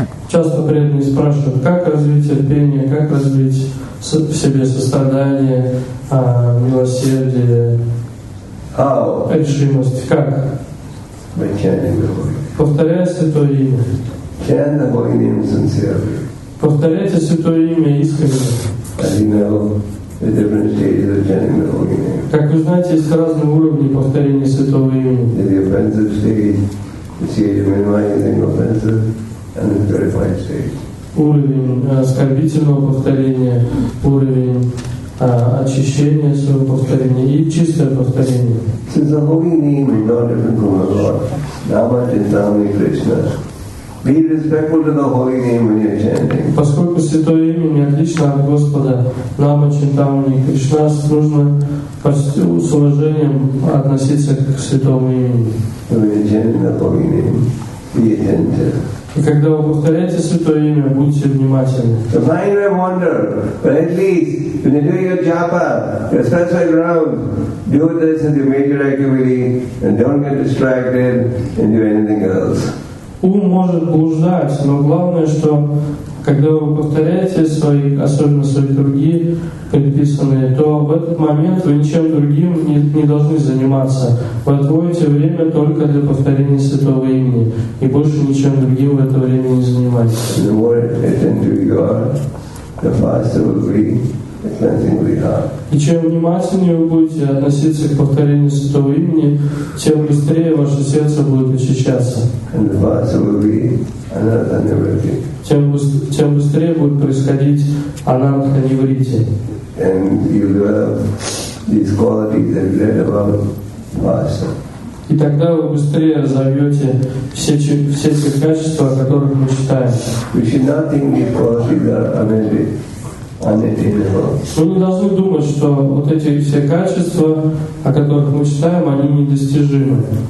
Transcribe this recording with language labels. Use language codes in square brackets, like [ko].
[ru] Часто преданные спрашивают, как развить терпение, как развить в себе сострадание, милосердие. [en] How? [ru] Решимость. Как? [en] By chanting the holy. [ru] Повторяя Святое Имя. [en] Chant the holy name sincerely. [ru] Повторяйте Святое Имя искренне. [en] As you know, the different stages of chanting the holy name. [ru] Как вы знаете, есть разные уровни повторения Святого Имени. [en] The offensive stage, the stage of minimizing offenses, and the purified stage. [ru] Уровень оскорбительного повторения, уровень очищение своего повторения и чистое повторение. [en] Since the holy name is not different from the Lord, Rama, Chintamani, Krishna, be respectful to the holy name when you're chanting. [ru] Поскольку Святое Имя не отлично от Господа, Рама, Чинтамани, Кришна, нужно с уважением относиться к Святому Имени. [en] When you're chanting the holy name, be attentive. [ru] И когда вы повторяете Святое Имя, будьте внимательны. [en] The mind may wander, but at least when you do your japa, your spiritual ground, do this in your major activity and don't get distracted and do anything else. [ru] Ум может блуждать, но главное, что когда вы повторяете свои, особенно свои круги предписанные, то в этот момент вы ничем другим не должны заниматься. Вы отводите время только для повторения Святого Имени. И больше ничем другим в это время не занимайтесь. [en] The more attentive you are, the faster will be the cleansing of your heart. [ru] И чем внимательнее вы будете относиться к повторению Святого Имени, тем быстрее ваше сердце будет очищаться. [en] And the faster will be another nirvritti. [ru] Тем быстрее будет происходить ананта нивритти. [en] And you develop these qualities that you learn about faster. [ru] И тогда вы быстрее разовьете все те качества, о которых мы читаем. [en] We should not think these qualities are unedited. [ru] Мы не должны думать, что вот эти все качества, о которых мы читаем, они недостижимы.